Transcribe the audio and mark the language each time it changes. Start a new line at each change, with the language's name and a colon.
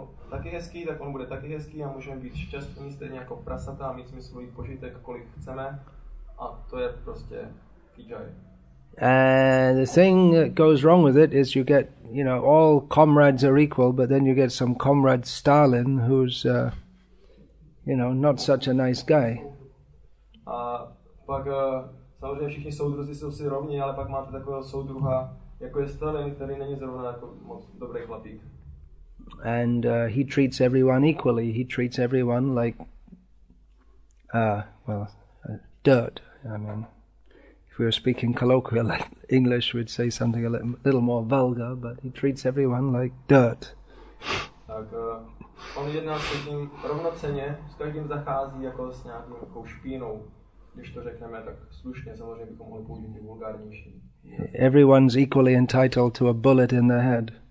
Czech: Taky hezký, tak on bude taky hezký a můžeme být šťastní stejně jako prasata a mít smyslový požitek, kolik chceme. A to je prostě kijaj.
English: And the thing that goes wrong with it is you get, all comrades are equal, but then you get some comrade Stalin who's, not such a nice guy.
Czech: A pak samozřejmě všichni soudruzi jsou si rovni, ale pak máte takového soudruha, jako je Stalin, který není zrovna jako moc dobrý chlapík.
English: And he treats everyone equally. He treats everyone like, dirt. I mean, if we were speaking colloquial English, we'd say something a little more vulgar, but he treats everyone like dirt.
Czech: Tak, on jedná s každým rovnoceně, s každým zachází jako s nějakým špínou. Když to řekneme, tak slušně, samozřejmě bychom mohli použít vulgárnější.
English: Everyone's equally entitled to a bullet in the head.